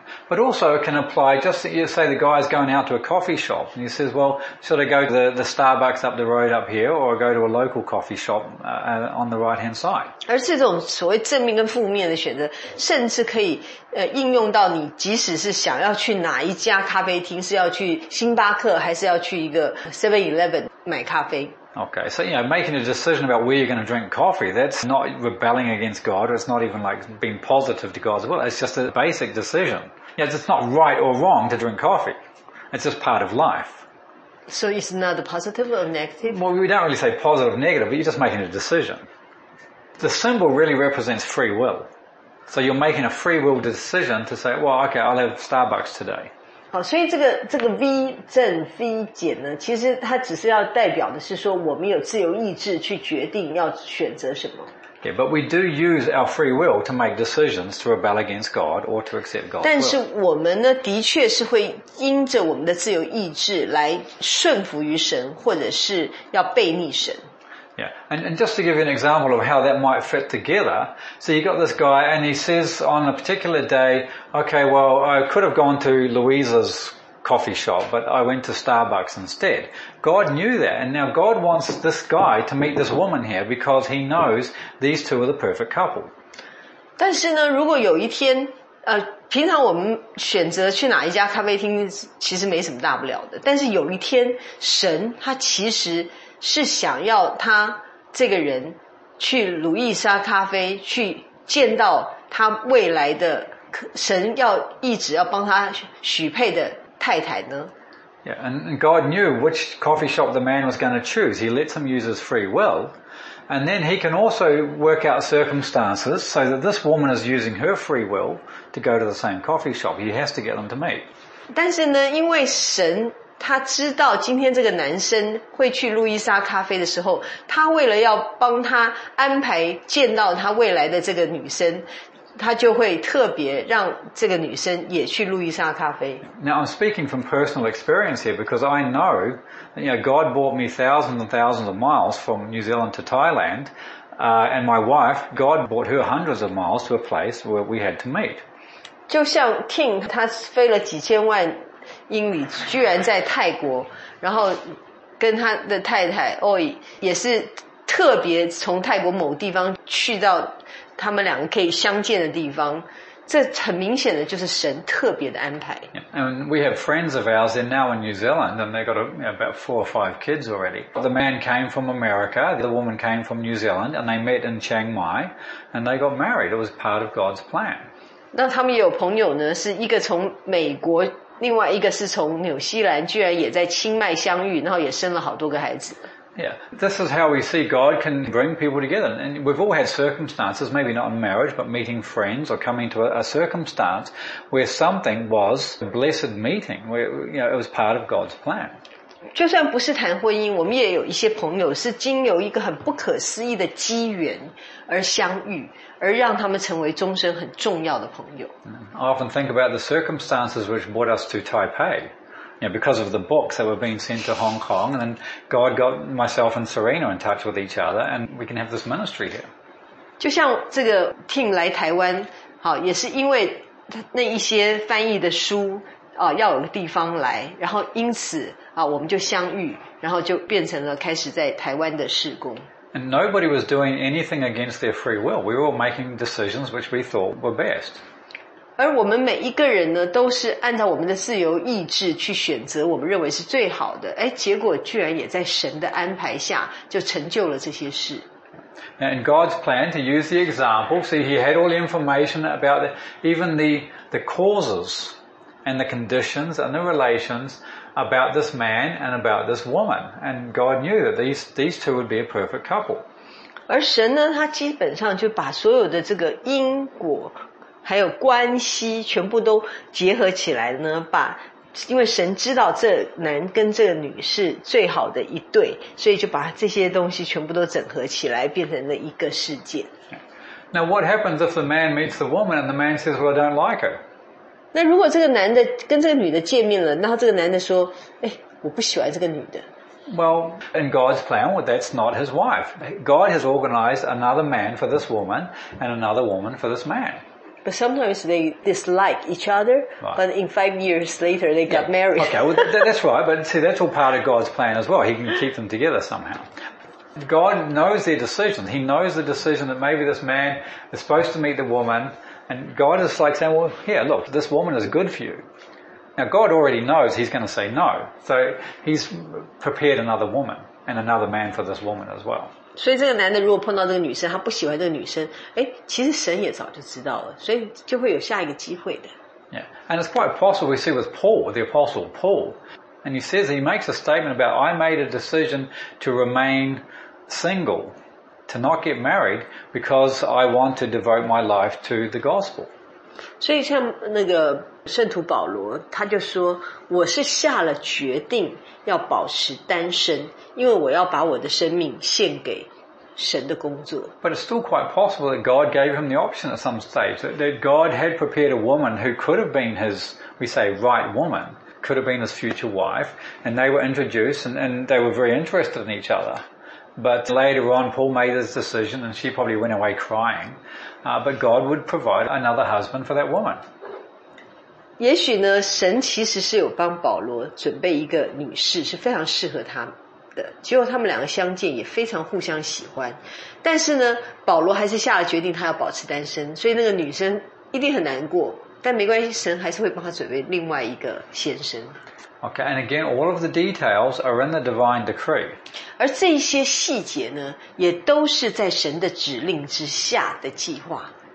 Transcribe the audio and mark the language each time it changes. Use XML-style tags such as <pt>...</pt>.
<en>But also it can apply, just that you say the guy's going out to a coffee shop, and he says, well, should I go to the Starbucks up the road up here, or go to a local coffee shop on the right-hand side?</en> <zh>而这种所谓正面跟负面的选择，甚至可以应用到你即使是想要去哪一家咖啡厅，是要去星巴克，还是要去一个 7-Eleven 买咖啡。</zh> <en>Okay, so you know, making a decision about where you're going to drink coffee, that's not rebelling against God, or it's not even like being positive to God's will, it's just a basic decision. Yeah, you know, it's not right or wrong to drink coffee. It's just part of life. So it's not a positive or negative? Well, we don't really say positive or negative, but you're just making a decision. The symbol really represents free will. So you're making a free will decision to say, well, okay, I'll have Starbucks today.</en> <zh>好，所以这个 V 正 V 减呢，其实它只是要代表的是说，我们有自由意志去决定要选择什么。</zh> <en>Okay, but we do use our free will to make decisions to rebel against God or to accept God's will.</en> <zh>但是我们呢，的确是会因着我们的自由意志来顺服于神，或者是要背逆神。</zh> <en>Yeah, and just to give you an example of how that might fit together, so you got this guy and he says on a particular day, okay, well, I could have gone to Louisa's coffee shop, but I went to Starbucks instead. God knew that, and now God wants this guy to meet this woman here because he knows these two are the perfect couple.</en> <zh>但是呢，如果有一天，平常我们选择去哪一家咖啡厅其实没什么大不了的，但是有一天神他其实是想要他这个人去路易莎咖啡去见到他未来的神要一直要帮他许配的太太呢。</zh> <en>Yeah, and God knew which coffee shop the man was going to choose. He lets him use his free will. And then he can also work out circumstances so that this woman is using her free will to go to the same coffee shop. He has to get them to meet.</en> <zh>但是呢，因为神他知道今天这个男生会去路易莎咖啡的时候，他为了要帮他安排见到他未来的这个女生，他就会特别让这个女生也去路易莎咖啡。</zh> <en>Now I'm speaking from personal experience here because I know, you know, God brought me thousands and thousands of miles from New Zealand to Thailand, and my wife, God brought her hundreds of miles to a place where we had to meet.</en> <zh>就像 King 他飞了几千万英里居然在泰国，然后跟他的太太 Oi 也是特别从泰国某地方去到他们两个可以相见的地方，这很明显的就是神特别的安排。</zh> <en>And we have friends of ours, they're now in New Zealand, and they've got about four or five kids already. The man came from America, the woman came from New Zealand, and they met in Chiang Mai, and they got married. It was part of God's plan.</en> <zh>那他们也有朋友呢，是一个从美国，另外一个是从纽西兰，居然也在清迈相遇，然后也生了好多个孩子。</zh> <en>Yeah, this is how we see God can bring people together. And we've all had circumstances, maybe not in marriage, but meeting friends or coming to a circumstance where something was a blessed meeting, where you know, it was part of God's plan.</en> <zh>就算不是谈婚姻，我们也有一些朋友是经由一个很不可思议的机缘而相遇，而让他们成为终身很重要的朋友。</zh> <en>I often think about the circumstances which brought us to Taipei. You know, because of the books that were being sent to Hong Kong, and then God got myself and Serena in touch with each other, and we can have this ministry here.</en> <zh>就像这个 Tim 来台湾，好，也是因为那一些翻译的书啊，要有个地方来，然后因此啊，我们就相遇，然后就变成了开始在台湾的事工。</zh> <en>And nobody was doing anything against their free will. We were all making decisions which we thought were best.</en> <zh>而我们每一个人呢，都是按照我们的自由意志去选择我们认为是最好的。哎，结果居然也在神的安排下就成就了这些事。</zh> <en>And God's plan to use the example, see, he had all the information about even the causes and the conditions and the relations. About this man and about this woman, and God knew that these two would be a perfect couple.</en> <zh>而神呢，他基本上就把所有的这个因果还有关系全部都结合起来呢，把因为神知道这男跟这个女是最好的一对，所以就把这些东西全部都整合起来，变成了一个事件。</zh> <en>Now, what happens if the man meets the woman and the man says, "Well, I don't like her"?</en> <zh>那如果这个男的跟这个女的见面了，然后这个男的说：“哎，我不喜欢这个女的。”</zh> <en>Well, in God's plan, well, that's not his wife. God has organized another man for this woman and another woman for this man. But sometimes they dislike each other, right. But in 5 years later they got married. Okay, well, that's right, but see, that's all part of God's plan as well. He can keep them together somehow. God knows their decision. He knows the decision that maybe this man is supposed to meet the woman, and God is like saying, well, here, look, this woman is good for you. Now, God already knows he's going to say no, so he's prepared another woman and another man for this woman as well.</en> <zh>所以这个男的如果碰到这个女生，他不喜欢这个女生，哎，其实神也早就知道了，所以就会有下一个机会的。</zh> <en>Yeah, and it's quite possible we see with Paul, the apostle Paul, and he says he makes a statement about I made a decision to remain single, to not get married because I want to devote my life to the gospel.</en> <zh>所以像那个圣徒保罗，他就说我是下了决定要保持单身。因为我要把我的生命献给神的工作。</zh> <en>But it's still quite possible that God gave him the option at some stage, that God had prepared a woman who could have been his, we say, right woman, could have been his future wife, and they were introduced and they were very interested in each other. But later on, Paul made his decision and she probably went away crying. But God would provide another husband for that woman.</en> <zh>也许呢，神其实是有帮保罗准备一个女士，是非常适合他。结果他们两个相见也非常互相喜欢，但是呢，保罗还是下了决定，他要保持单身，所以那个女生一定很难过。但没关系，神还是会帮他准备另外一个先生。</zh> <en>Okay, and again, all of the details are in the divine decree.</en> <zh>而这些细节呢，也都是在神的指令之下的计划。</zh>